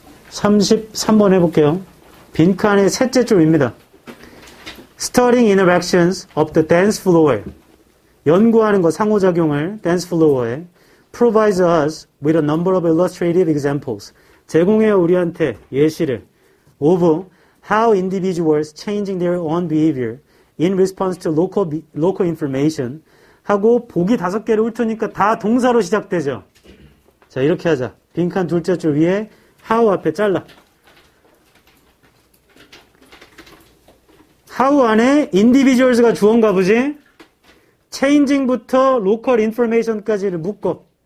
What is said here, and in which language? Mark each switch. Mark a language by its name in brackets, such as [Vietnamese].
[Korean] 33번 해볼게요. 빈칸의 셋째 줄입니다. [English] Starting interactions of the dance floor. [Korean] 연구하는 것, 상호작용을 [English] dance floor에 provides us with a number of illustrative examples. [Korean] 제공해요, 우리한테 예시를. [English] Of how individuals changing their own behavior in response to local information. [Korean] 하고, 보기 다섯 개를 훑으니까 다 동사로 시작되죠. 자, 이렇게 하자. 빈칸 둘째 줄 위에 how 앞에 잘라. How 안에 individuals가 주어인가 보지? Changing부터 local information까지를 묶어.